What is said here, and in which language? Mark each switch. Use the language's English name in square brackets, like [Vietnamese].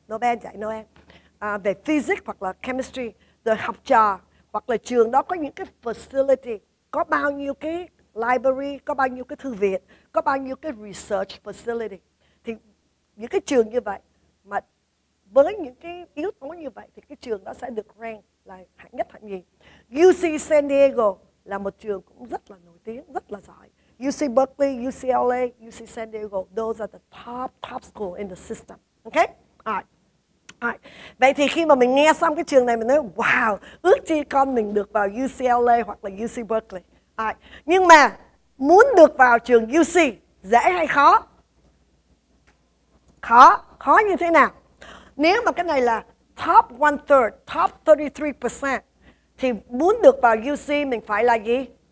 [Vietnamese] Nobel giải Nobel về physics hoặc là chemistry, rồi học trò, hoặc là trường đó có những cái facility, có bao nhiêu cái library, có bao nhiêu cái thư viện, có bao nhiêu cái research facility. Thì những cái trường như vậy, mà với những cái yếu tố như vậy, thì cái trường đó sẽ được rank là hạng nhất hạng nhì. UC San Diego là một trường cũng rất là nổi tiếng, rất là giỏi. [English] UC Berkeley, UCLA, UC San Diego, those are the top school in the system. Okay? All right. [Vietnamese] Vậy thì khi mà mình nghe xong cái trường này, mình nói wow, ước chi con mình được vào UCLA hoặc là UC Berkeley. Nhưng mà muốn được vào trường UC dễ hay khó? Khó. Khó như thế nào? Nếu mà cái này là top one third, top 33%, thì muốn được vào UC mình phải là gì?